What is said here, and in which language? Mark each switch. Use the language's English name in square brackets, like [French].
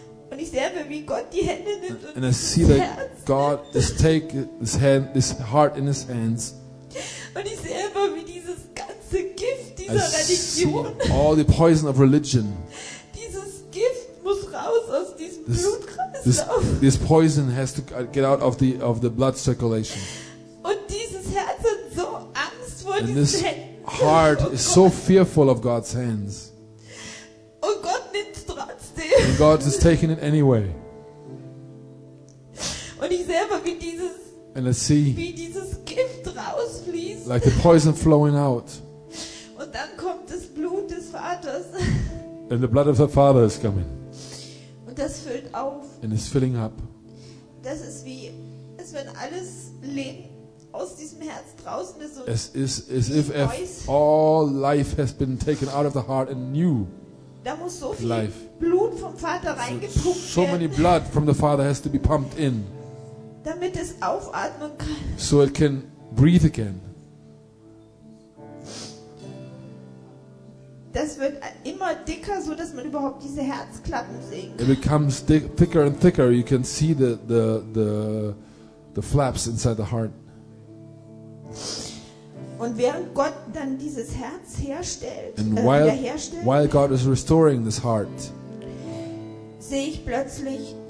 [German] Und ich sehe, wie Gott die Hände nimmt und [English] and I see that God is taking his hand, his heart in his hands. [German] Und ich sehe immer, wie dieses ganze Gift dieser Religion. [English] All the poison of religion. [German] Dieses Gift muss raus aus diesem Blutkreis. [English] This poison has to get out of the blood circulation. [German] Und dieses Herz hat so Angst vor [English] and this heart [German] Gott. [English] Is so fearful of God's hands. [German] Und Gott nimmt's trotzdem. [English] And God is taking it anyway. [German] Und ich selber, wie dieses, [English] and I see [German] wie dieses Gift rausfließt. [English] Like the poison flowing out. [German] Und dann kommt das Blut des Vaters. [English] And the blood of the Father is coming. [German] Das füllt auf. [English] And it's filling up. [German] Das ist wie, als wenn alles Leben aus diesem Herz draußen ist. Und es ist, [English] as if all life has been taken out of the heart and new. [German] Da muss so viel [English] life. [German] Blut vom Vater reingepumpt werden. [English] So many blood from the Father has to be pumped in. [German] Damit es aufatmen kann. [English] So it can breathe again. [German] Das wird immer dicker, so dass man überhaupt diese Herzklappen sehen kann. [English] It becomes thicker and thicker. You can see the flaps inside the heart. [German] Und während Gott dann dieses Herz herstellt, [English] while God is restoring this heart, [German] sehe ich plötzlich